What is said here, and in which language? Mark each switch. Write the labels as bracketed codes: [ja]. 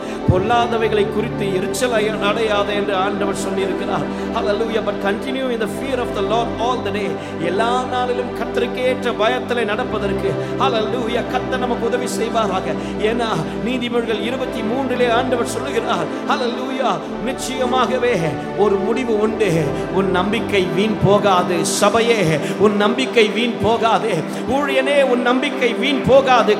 [ta] பொல்லாதவைகளை குறித்து எரிச்சல் அடையாத என்று ஆண்டவர் சொல்லியிருக்கிறார். [en] Hallelujah. But continue in the fear of the Lord all the day. [ta] எல்லா நாளிலும் கர்த்தருக்கேற்ற பயத்திலே நடப்பதற்கு Hallelujah. கர்த்தர் நமக்கு உதவி செய்வாராக. ஏன்னா நீதிமொழிகள் 23 ஆண்டவர் சொல்லுகிறார் Hallelujah. நிச்சயமாகவே ஒரு முடிவு உண்டு. உன் நம்பிக்கை வீண் போகாது சபையே, உன் நம்பிக்கை வீண் போகாது ஊழியனே, உன் நம்பிக்கை வீண் போகாது.